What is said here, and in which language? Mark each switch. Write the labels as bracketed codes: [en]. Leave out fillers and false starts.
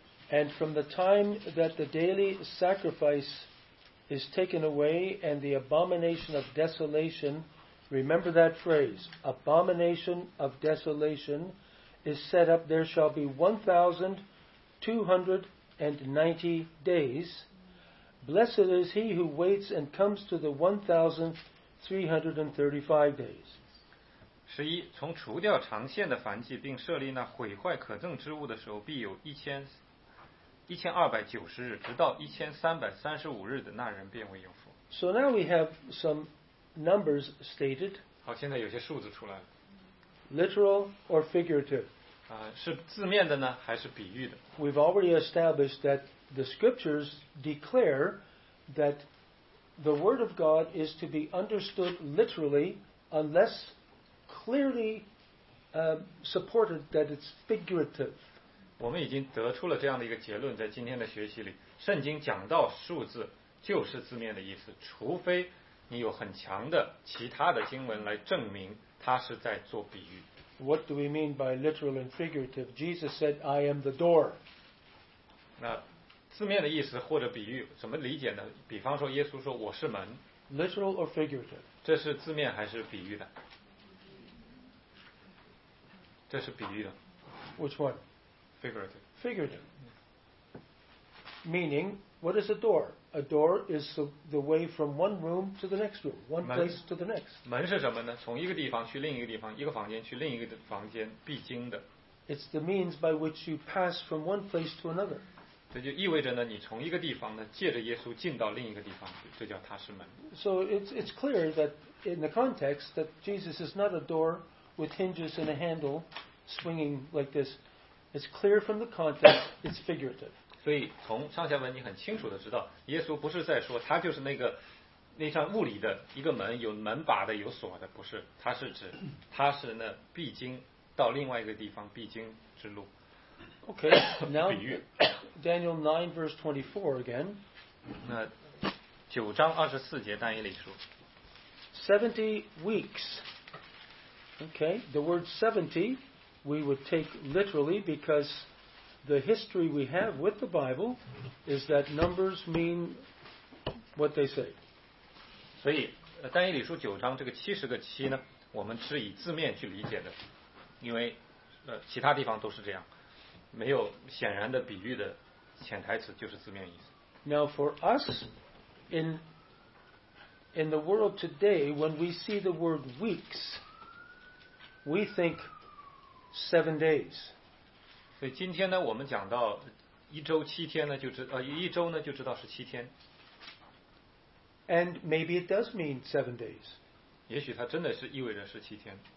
[en] And from the time that the daily sacrifice is taken away and the abomination of desolation, remember that phrase, abomination of desolation. Is set up, there shall be 1290 days. Blessed is he who waits and comes to the 1335 days. [zh] 十一，从除掉长线的燔祭，并设立那毁坏可憎之物的时候，必有1290日，直到1335日的那人便为有福。 [en] So now we have some numbers stated. [zh] 好，现在有些数字出来了。 [en] Literal or figurative? [zh] 是字面的呢，还是比喻的？ [en] We've already established that the scriptures declare that the word of God is to be understood literally unless clearly supported that it's figurative. [zh] 我们已经得出了这样的一个结论，在今天的学习里，圣经讲到数字就是字面的意思，除非你有很强的其他的经文来证明它是在做比喻。 [en] What do we mean by literal and figurative? Jesus said, I am the door. [zh] 那字面的意思或者比喻怎么理解呢？比方说耶稣说我是门。 [en] Literal or figurative? [zh] 这是字面还是比喻的？这是比喻的。 [en] Which one? Figurative. Figurative. Meaning, what is a door? A door is the way from one room to the next room, one place to the next. [zh] 门是什么呢？从一个地方去另一个地方，一个房间去另一个房间必经的。 [en] It's the means by which you pass from one place to another. [zh] 这就意味着呢，你从一个地方呢，借着耶稣进到另一个地方去，这叫他是门。 [en] So it's clear that in the context that Jesus is not a door with hinges and a handle swinging like this. It's clear from the context, it's figurative. [zh] 所以从上下文你很清楚的知道耶稣不是在说他就是那扇物理的一个门有门把的有锁的不是他是指他是那必经到另外一个地方必经之路 [en] OK now Daniel 9 verse 24 again [zh] 那九章二十四节但以理书 [en] 70 weeks OK the word 70 we would take literally becauseThe history we have with the Bible is that numbers mean what they say. [zh] 所以，但以理书九章这个七十个期呢，我们是以字面去理解的，因为其他地方都是这样，没有显然的比喻的潜台词就是字面意思。 [en] Now for us in the world today, when we see the word weeks, we think 7 days. [zh] 所以今天呢，我们讲到一周七天呢，一周呢就知道是七天。 [en] And maybe it does mean 7 days. [zh] 也许它真的是意味着是七天。